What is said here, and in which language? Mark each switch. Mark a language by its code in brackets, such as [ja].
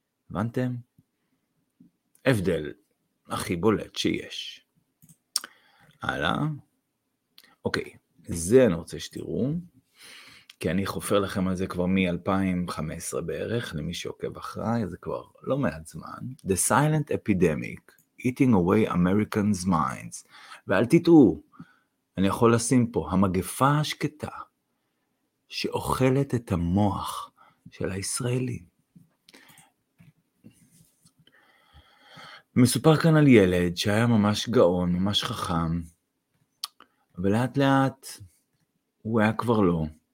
[he] הבנתם? הבדל הכי בולט שיש. הלאה. אוקיי, זה אני רוצה שתראו. כי אני חופר לכם על זה כבר מ-2015 בערך, למי שעוקב אחריי, זה כבר לא מעט זמן. [en] The Silent Epidemic, Eating Away American's Minds. [he] ואל תטעו, אני יכול לשים פה, המגפה השקטה, שאוכלת את המוח של הישראלים. מסופר כאן על ילד שהיה ממש גאון, ממש חכם, ולאט לאט הוא היה כבר לא.